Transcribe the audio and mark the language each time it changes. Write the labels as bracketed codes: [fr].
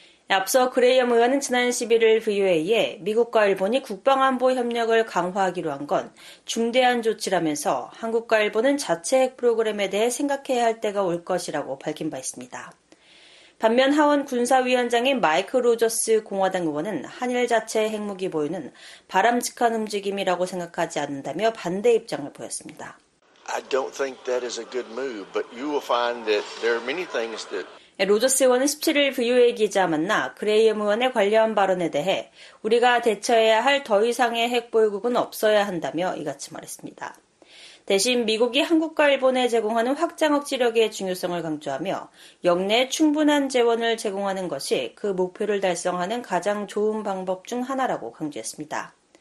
[ko] 앞서 그레이엄 의원은 지난 11일 VOA에 미국과 일본이 국방안보 협력을 강화하기로 한 건 중대한 조치라면서 한국과 일본은 자체 핵 프로그램에 대해 생각해야 할 때가 올 것이라고 밝힌 바 있습니다. 반면 하원 군사위원장인 마이크 로저스 공화당 의원은 한일 자체 핵무기 보유는 바람직한 움직임이라고 생각하지 않는다며 반대 입장을 보였습니다. [en] I don't think that is a good move, but you will find that there are many things that [ko] 로저스 의원은 17일 VOA 기자 만나 그레이엄 의원의 관련 발언에 대해 우리가 대처해야 할 더 이상의 핵 보유국은 없어야 한다며 이같이 말했습니다. 대신 미국이 한국과 일본에 제공하는 확장 억지력의 중요성을 강조하며 역내 충분한 재원을 제공하는 것이 그 목표를 달성하는 가장 좋은 방법 중 하나라고 강조했습니다.